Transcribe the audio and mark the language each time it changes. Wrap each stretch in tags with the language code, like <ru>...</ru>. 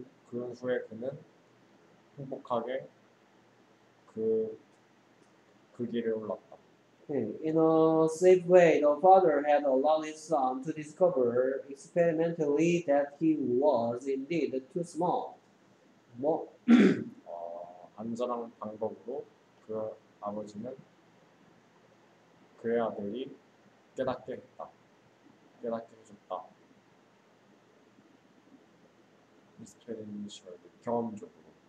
<ko>그 후에 그는 행복하게 그 길을 올랐다.</ko> <en>In a safe way, the father had allowed his son to discover experimentally that he was indeed too small.</en> <ko>뭐? 안전한 방법으로 그 아버지는 그의 아들이 깨닫게 했다. 깨닫게 해줬다. 익스페리멘셜, 경험적으로.</ko>